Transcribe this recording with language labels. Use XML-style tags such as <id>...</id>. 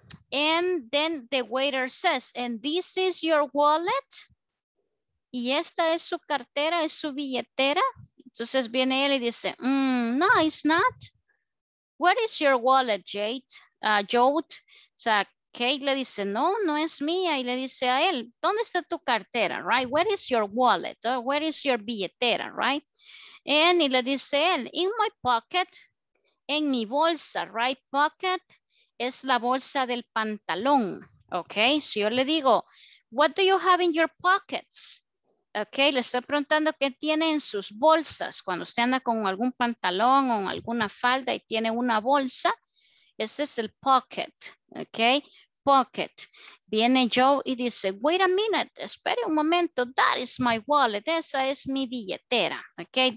<en>And then the waiter says, and this is your wallet?</en> <es>¿Y esta es su cartera, es su billetera? Entonces viene él y dice,</es> <en>no, it's not. Where is your wallet, Jote?</en> <es>O sea, Kate le dice, no, no es mía. Y le dice a él, ¿dónde está tu cartera, right?</es> <en>Where is your wallet? Where is your billetera, right? And</en> <es>y le dice él,</es> <en>in my pocket,</en> <es>en mi bolsa,</es> <en>right? Pocket.</en> <es>Es la bolsa del pantalón, okay? Si yo le digo,</es> <en>what do you have in your pockets?</en> <es>Okay, le estoy preguntando qué tiene en sus bolsas. Cuando usted anda con algún pantalón o alguna falda y tiene una bolsa, ese es el pocket, okay? Pocket. Viene Joe y dice,</es> <en>wait a minute,</en> <es>espere un momento,</es> <en>that is my wallet,</en> <es>esa es mi billetera, okay?</es>